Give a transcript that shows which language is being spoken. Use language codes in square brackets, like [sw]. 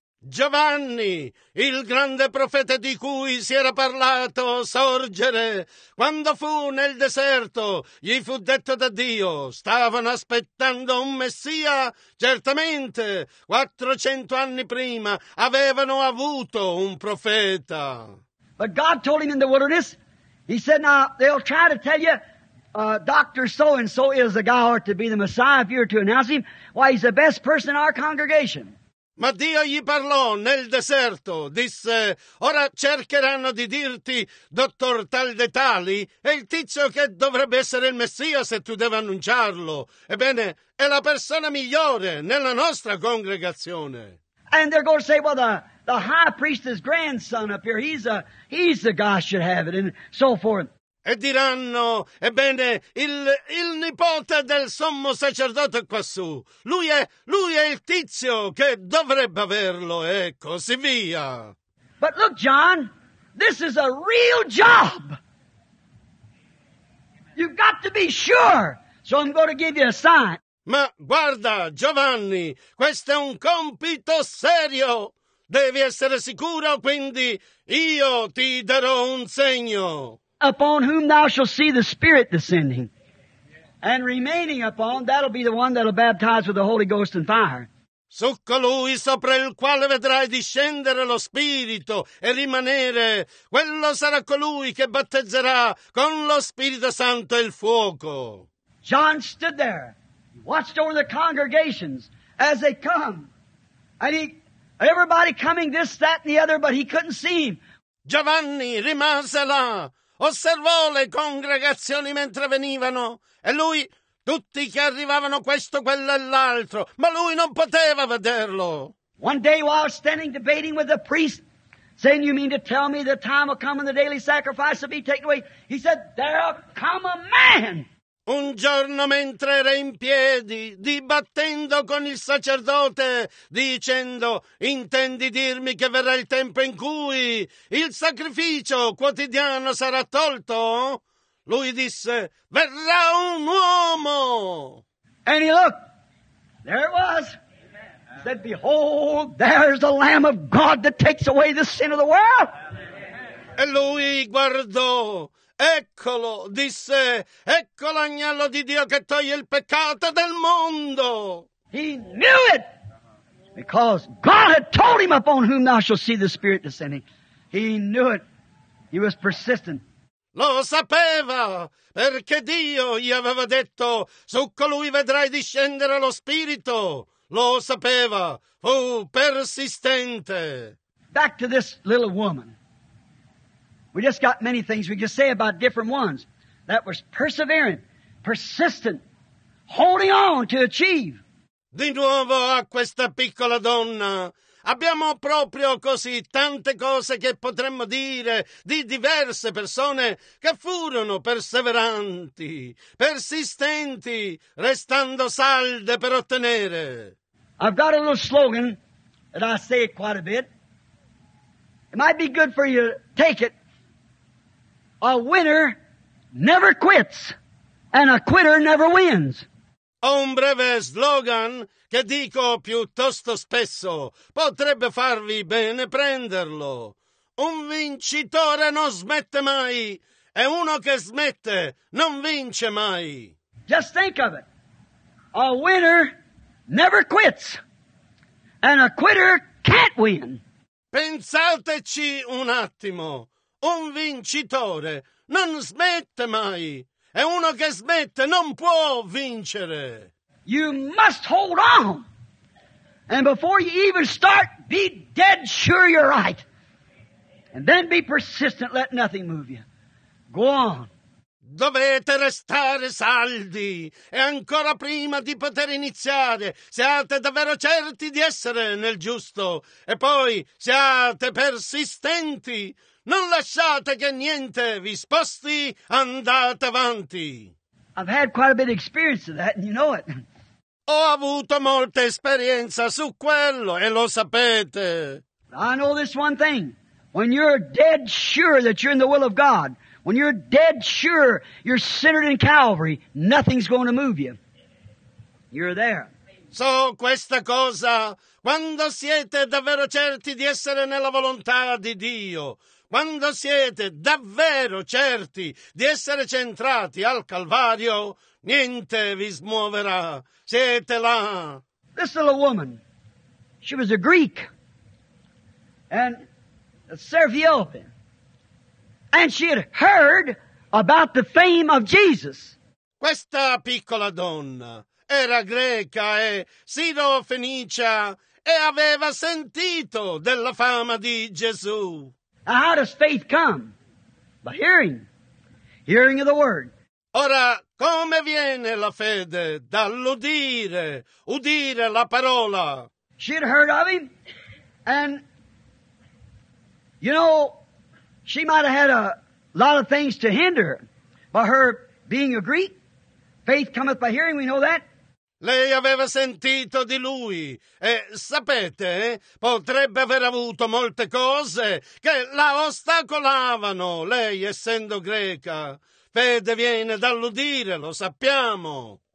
[it] Giovanni, il grande profeta di cui si era parlato sorgere, quando fu nel deserto, gli fu detto da Dio, stavano aspettando un Messia? Certamente, 400 anni prima avevano avuto un profeta. [en] But God told him in the wilderness, he said, now they'll try to tell you, Dr. So-and-so is the guy who ought to be the Messiah if you were to announce him. Why, he's the best person in our congregation. [it] Ma Dio gli parlò nel deserto, disse, ora cercheranno di dirti, dottor tal de tali, è il tizio che dovrebbe essere il Messia se tu devi annunciarlo. Ebbene, è la persona migliore nella nostra congregazione. [en] And they're going to say, well, the high priest's grandson up here, he's the guy should have it, and so forth. [it] E diranno, ebbene, il nipote del sommo sacerdote quassù, lui è il tizio che dovrebbe averlo, e così via. [en] But look, John, this is a real job. You've got to be sure. So I'm going to give you a sign. [it] Ma guarda, Giovanni, questo è un compito serio. Devi essere sicuro, quindi io ti darò un segno. [en] Upon whom thou shalt see the Spirit descending and remaining upon, that'll be the one that'll baptize with the Holy Ghost and fire. [it] Su colui sopra il quale vedrai discendere lo Spirito e rimanere, quello sarà colui che battezzerà con lo Spirito Santo e il fuoco. [en] John stood there, watched over the congregations as they come, and he, everybody coming this, that, and the other, but he couldn't see him. [it] Giovanni rimase là, osservò le congregazioni mentre venivano, e lui, tutti che arrivavano questo, quello e l'altro, ma lui non poteva vederlo. [en] One day while standing debating with the priest, saying, you mean to tell me the time will come and the daily sacrifice will be taken away? He said, there'll come a man. [it] Un giorno mentre era in piedi, dibattendo con il sacerdote, dicendo, intendi dirmi che verrà il tempo in cui il sacrificio quotidiano sarà tolto? Lui disse, verrà un uomo! [en] And he looked, there it was. He said, behold, there's the Lamb of God that takes away the sin of the world. [it] E lui guardò. Eccolo, disse, ecco l'agnello di Dio che toglie il peccato del mondo. [en] He knew it, because God had told him upon whom thou shalt see the Spirit descending. He knew it. He was persistent. [it] Lo sapeva, perché Dio gli aveva detto, su colui vedrai discendere lo Spirito. Lo sapeva, fu persistente. [en] Back to this little woman. We just got many things we can say about different ones. That was perseverant, persistent, holding on to achieve. [it] Di nuovo a questa piccola donna. Abbiamo proprio così tante cose che potremmo dire di diverse persone che furono perseveranti, persistenti, restando salde per ottenere. [en] I've got a little slogan that I say quite a bit. It might be good for you to take it. A winner never quits, and a quitter never wins. [it] Ho un breve slogan che dico piuttosto spesso. Potrebbe farvi bene prenderlo. Un vincitore non smette mai, e uno che smette non vince mai. [en] Just think of it. A winner never quits, and a quitter can't win. [it] Pensateci un attimo. Un vincitore non smette mai, e uno che smette non può vincere. [en] You must hold on, and before you even start, be dead sure you're right. And then be persistent, let nothing move you. Go on. [it] Dovete restare saldi, e ancora prima di poter iniziare, siate davvero certi di essere nel giusto, e poi siate persistenti. Non lasciate che niente vi sposti, andate avanti. [en] I've had quite a bit of experience of that, and you know it. [it] Ho avuto molta esperienza su quello, e lo sapete. [en] I know this one thing. When you're dead sure that you're in the will of God, when you're dead sure you're centered in Calvary, nothing's going to move you. You're there. [it] So questa cosa, quando siete davvero certi di essere nella volontà di Dio, quando siete davvero certi di essere centrati al Calvario, niente vi smuoverà. Siete là. [en] This little woman, she was a Greek, and a Serbian, and she had heard about the fame of Jesus. [it] Questa piccola donna era greca e sirofenicia e aveva sentito della fama di Gesù. [en] Now, how does faith come? By hearing. Hearing of the Word. [it] Ora, come viene la fede? Dall'udire. Udire la parola. [en] She had heard of him. And, you know, she might have had a lot of things to hinder. By her being a Greek, faith cometh by hearing, we know that. [it] Lei aveva sentito di lui e, sapete, potrebbe aver avuto molte cose che la ostacolavano, lei essendo greca. Fede viene dall'udire, lo sappiamo.